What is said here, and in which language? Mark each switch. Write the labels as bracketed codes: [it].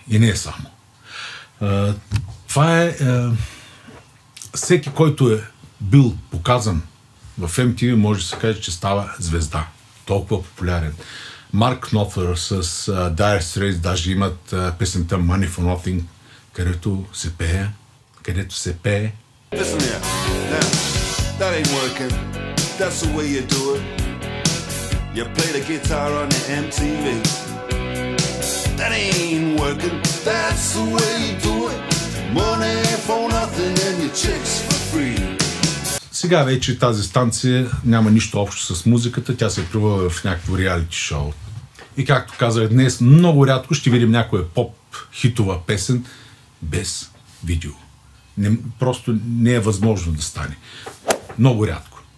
[bg] И не е само. Това е всеки, който е бил показан в MTV може да се каже, че става звезда. Толкова популярен. Марк Нофер с Dire Straits даже имат песента Money for Nothing, където се пее, където се пее. [en] Listen here, now, that ain't working, that's the way you do it. You play the guitar on the MTV. That ain't working, that's the way you do it. Money for nothing and your chicks for free. [bg] Сега вече тази станция няма нищо общо с музиката, тя се превърва в някакво реалити шоу. И както казах днес, много рядко ще видим някоя поп-хитова песен без видео. Просто не е възможно да стане. Много рядко.